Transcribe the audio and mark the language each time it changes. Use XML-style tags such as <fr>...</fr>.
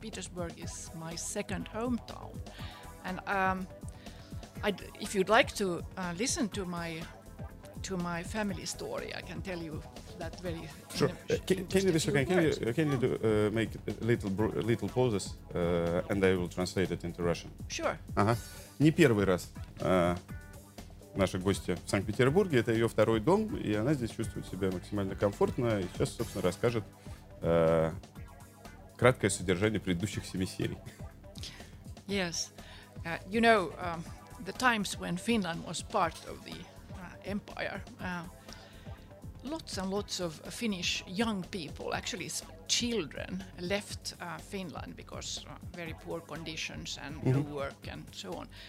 <en>Petersburg is my second hometown. And if you'd like to listen to my family story, I can tell you that very. Sure. Can you make little pauses, and I will translate it into Russian. Sure.</en> <ru>Не первый раз наши гости в Санкт-Петербурге. Это ее второй дом, и она здесь чувствует себя максимально комфортно. И сейчас, собственно, расскажет краткое содержание предыдущих 7 серий.</ru> <en>Yes. You know, the times when Finland was part of the empire, lots and lots of Finnish young people, actually children, left Finland because very poor conditions and no work and so on.</en>